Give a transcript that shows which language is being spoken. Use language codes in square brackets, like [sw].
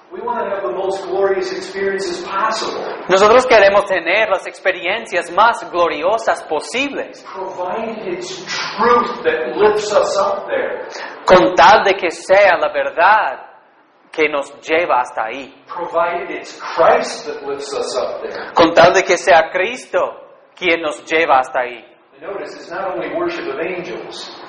[en] We want to have the most glorious experiences possible. [es] Nosotros queremos tener las experiencias más gloriosas posibles. [en] Provided it's truth that lifts us up there. [es] Con tal de que sea la verdad que nos lleva hasta ahí. [en] Provided it's Christ that lifts us up there. [es] Con tal de que sea Cristo quien nos lleva hasta ahí. [en] Notice it's not only worship of angels.